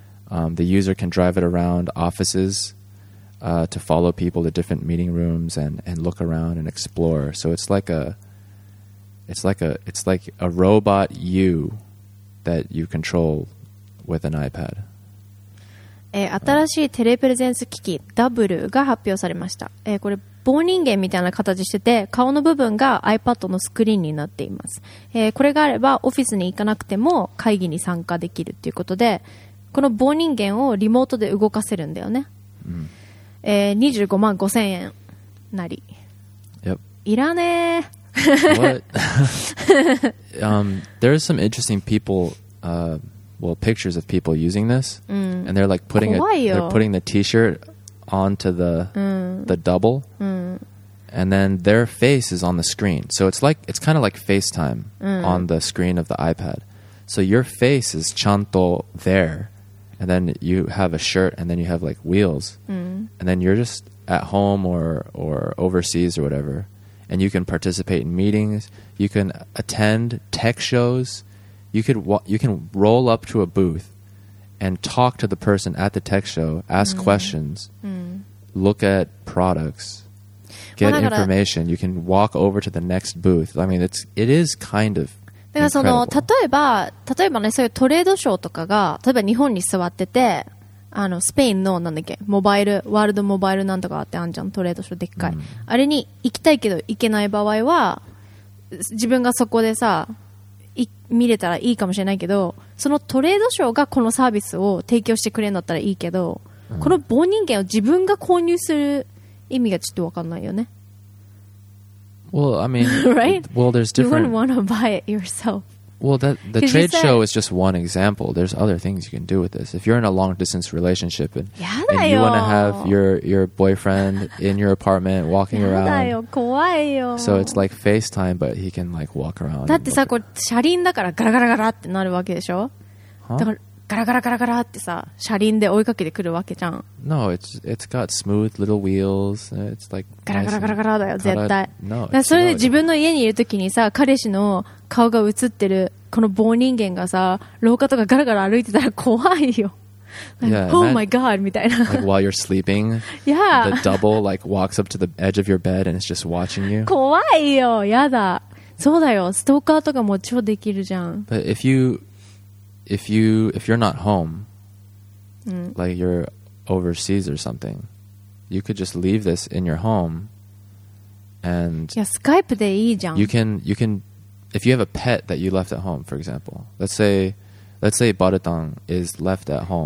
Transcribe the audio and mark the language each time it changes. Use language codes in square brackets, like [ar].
[en] The user can drive it around offices to follow people to different meeting rooms and look around and explore. So it's like a robot you that you control with an iPad. [ja] 新しいテレプレゼンス機器 W が発表されました。これ棒人間みたいな形してて、顔の部分が iPad のスクリーンになっています、これがあればオフィスに行かなくても会議に参加できるということで、この棒人間をリモートで動かせるんだよね、25万5千円なり、 [en] yep. [ja] いらね [en] ー What? There are some interesting people、pictures of people using this、and they're like putting the t-shirtOnto the double, and then their face is on the screen. So it's like it's kind of like FaceTime on the screen of the iPad. So your face is [ja] chanto [en] there, and then you have a shirt, and then you have like wheels, and then you're just at home or overseas or whatever, and you can participate in meetings. You can attend tech shows. You can roll up to a booth. And talk to the person at the tech show, ask questions, look at products, get information. You can walk over to the next booth. I mean, it is kind of incredible. [ja] 例えばね、そういうトレードショーとかが、例えば日本に座ってて、あのスペインのなんだっけ、モバイル、ワールドモバイルなんとかってあんじゃん、トレードショーでっかい。あれに行きたいけど行けない場合は、自分がそこでさ、見れたらいいかもしれないけど、そのトレードショーがこのサービスを提供してくれるんだったらいいけど、この棒人間を自分が購入する意味がちょっと分かんないよね。 [en] Well, I mean, right? Well, there's different... You wouldn't want to buy it yourself. Well, the trade show is just one example. There's other things you can do with this. If you're in a long distance relationship and you want to have your boyfriend in your apartment walking around. So it's like FaceTime, but he can like walk around. [ja] だってさ、これ車輪だからガラガラガラってなるわけでしょ、 [en] huh? [ja] だからガラガラガラガラってさ、車輪で追いかけてくるわけじゃん。 [en] No, it's got smooth little wheels. It's like [ja] ガラガラガラガラだよ絶対。 [en] No, [ja] だからそれで自分の家にいるときにさ、彼氏の顔が映ってるこの棒人間がさ、廊下とかガラガラ歩いてたら怖いよ。 [en] Yeah, oh my god [ja] みたいな。 [en] Like while you're sleeping, yeah, the double like walks up to the edge of your bed and it's just watching you. [ja] 怖いよ、やだ。そうだよ、ストーカーとかも超できるじゃん。 [en] But if you're not home, like you're overseas or something, you could just leave this in your home and yeah, [ja] Skype でいいじゃん。 [en] You can if you have a pet that you left at home, for example, let's say Baritang is left at home.